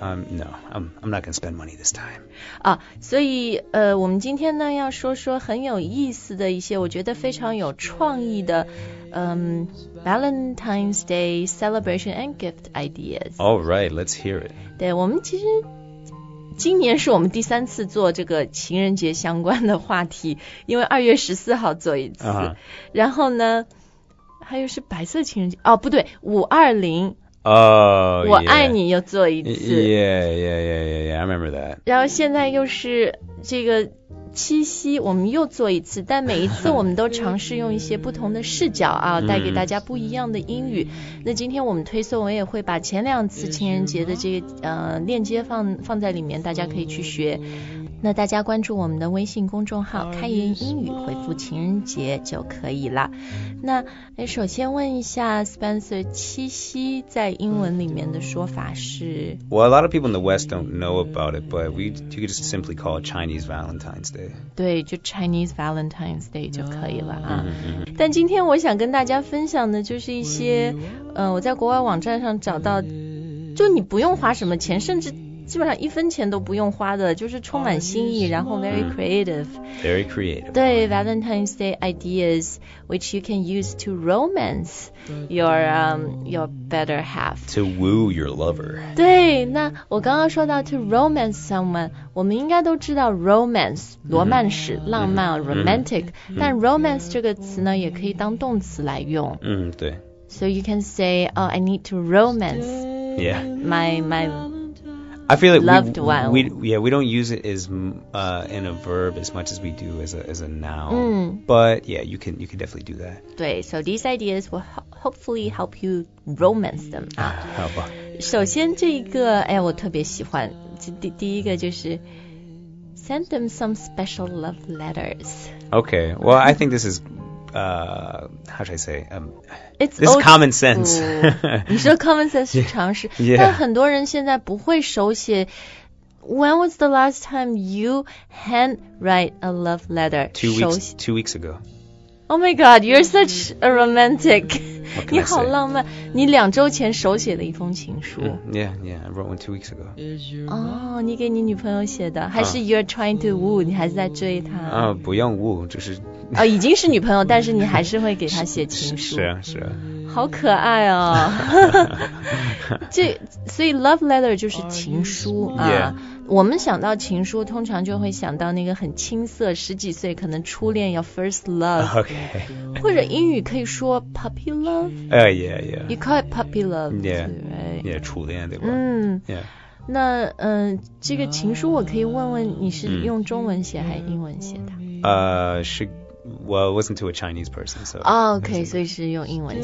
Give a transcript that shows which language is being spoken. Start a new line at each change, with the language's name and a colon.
English: No, I'm not going to spend money this time.
Chinese: 啊，所以我们今天呢要说说很有意思的一些我觉得非常有创意的
English: Valentine's Day celebration and gift ideas. Alright, let's hear it.
Chinese: 对，我们其实今年是我们第三次做这个情人节相关的话题，因为二月十四号做一次、然后呢还有是白色情人节，哦不对，520我爱你又做一次
English: yeah, I remember that.
Chinese: 然后现在又是这个七夕我们又做一次，但每一次我们都尝试用一些不同的视角啊带给大家不一样的英语。那今天我们推送我也会把前两次情人节的这个链接放在里面，大家可以去学。那大家关注我们的微信公众号开言英语，回复情人节就可以了。那首先问一下 Spencer, 七夕在英文里面的说法是
English: Well, a lot of people in the West don't know about it, but we you could just simply call it Chinese Valentine's Day.
Chinese: 对，就 Chinese Valentine's Day 就可以了啊。但今天我想跟大家分享的就是一些我在国外网站上找到，就你不用花什么钱，甚至基本上一分钱都不用花的，就是充满心意，然后
English: very creative. Very creative. 对 ,Valentine's Day ideas, which you can use to romance your better half. To woo your lover.
Chinese: 对，那我刚刚说到
English: to romance someone,
Chinese: 我们应该都知道 romance, 罗曼史、浪漫、romantic, 但 romance 这个词呢也可以当动词来用。对。
English: So you can say, oh, I need to romance my I feel like we don't use it as in a verb as much as we do as a noun. But yeah, you can definitely do that. 对 so these ideas will hopefully help you romance them.
Chinese: 好吧。首先这一个，哎，我特别喜欢。第一个就是
English: send them some special love letters. Okay, well, I think this is. How should I say? It's this is common sense.
Chinese: 你说 common sense 是常识，但很多人现在不会手写。
English: When was the last time you handwrite a love letter? Two weeks ago. Oh my God, you're such a romantic.
Chinese: 你好浪漫。
English: Say?
Chinese: 你两周前手写了一封情书。
English: Yeah, I wrote one 2 weeks ago.
Chinese: 哦、你给你女朋友写的，还是
English: you're trying to woo?
Chinese: 你还是在追她？不用 woo, 就是。哦，已经是女朋友，但是你还是会给她写情书。是啊，好可爱哦。这所以 love letter 就是情书啊。我们想到情书，通常就会想到那个很青涩，十几岁可能初恋要 first love。
English: OK。
Chinese: 或者英语可以说 puppy love。
English: Yeah. You call it puppy love.
Chinese: Yeah, 初恋对吧？那这个情书我可以问问你是用中文写还是英文写的？是。
English: Well, it wasn't to a Chinese person, so... Oh, okay, so it's in English.